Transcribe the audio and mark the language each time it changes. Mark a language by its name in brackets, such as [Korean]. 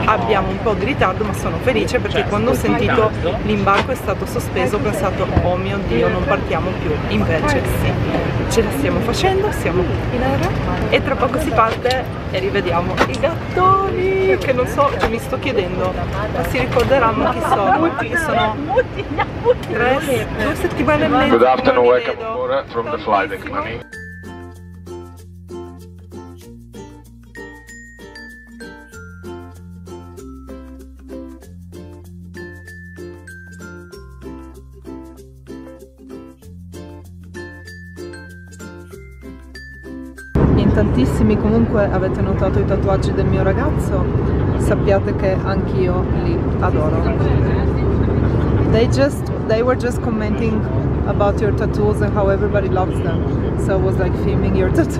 [Italian] Abbiamo un po' di ritardo, ma sono felice perché quando ho sentito l'imbarco è stato sospeso ho pensato oh mio Dio, non partiamo più. Invece sì, ce la stiamo facendo, siamo in aereo e tra poco si parte e rivediamo i gattoni che non so, cioè mi sto chiedendo ma si ricorderanno chi sono. [English] Good afternoon, welcome aboard from the flight deck, mommy. [Italian] Tantissimi, comunque avete notato i tatuaggi del mio ragazzo, sappiate che anch'io li adoro. [English] They were just commenting about your tattoos and how everybody loves them, so I was like filming your tattoos.